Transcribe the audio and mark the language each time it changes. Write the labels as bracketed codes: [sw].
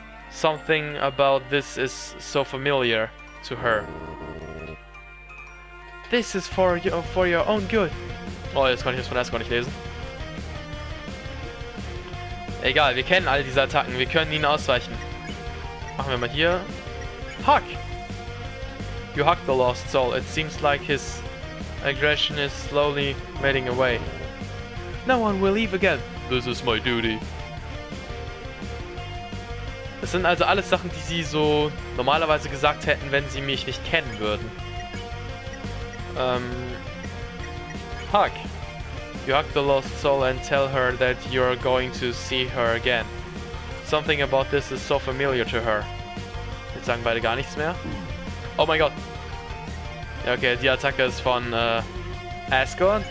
[en] Something about this is so familiar to her. This is for your own good. [de] Oh, jetzt kann ich das von Asgard nicht lesen. Egal, wir kennen all diese Attacken. Wir können ihnen ausweichen. Machen wir mal hier. [en] Hug! You hug the lost soul. It seems like his aggression is slowly fading away. No one will leave again. This is my duty. [de] Das sind also alles Sachen, die sie so normalerweise gesagt hätten, wenn sie mich nicht kennen würden. [en] Hug. You hug the lost soul and tell her that you're going to see her again. Something about this is so familiar to her. [de] Jetzt sagen beide gar nichts mehr. Oh mein Gott. Ja, okay, die Attacke ist von Asgore.